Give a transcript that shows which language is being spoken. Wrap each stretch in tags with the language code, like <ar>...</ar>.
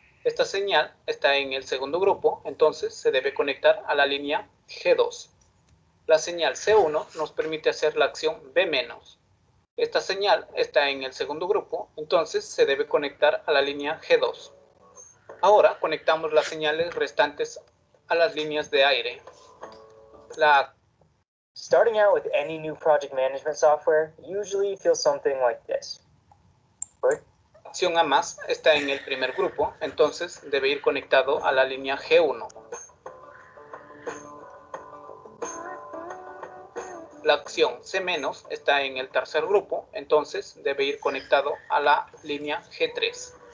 <es>Esta señal está en el segundo grupo, entonces se debe conectar a la línea G2. La señal C1 nos permite hacer la acción B-. Esta señal está en el segundo grupo, entonces se debe conectar a la línea G2. Ahora conectamos las señales restantes a las líneas de aire.</es> <en>Starting out with any new project management software usually feels something like this.</en> <es>Acción A+ está en el primer grupo, entonces debe ir conectado a la línea G1. La acción C- está en el tercer grupo, entonces debe ir conectado a la línea G3.</es>